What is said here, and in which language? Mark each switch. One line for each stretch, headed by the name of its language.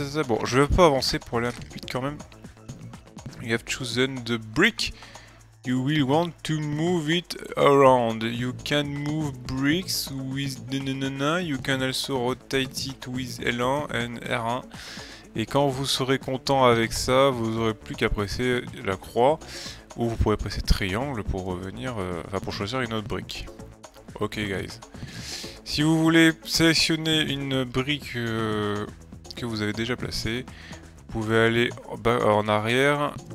French: Bon, je vais pas avancer pour aller un peu plus vite quand même.
English: You have chosen the brick. You will want to move it around. You can move bricks with nanana. You can also rotate it with L1 and R1.
French: Et quand vous serez content avec ça, vous aurez plus qu'à presser la croix. Ou vous pourrez presser triangle pour revenir. Pour choisir une autre brique.
English: Ok, guys.
French: Si vous voulez sélectionner une brique que vous avez déjà placée, vous pouvez aller en arrière.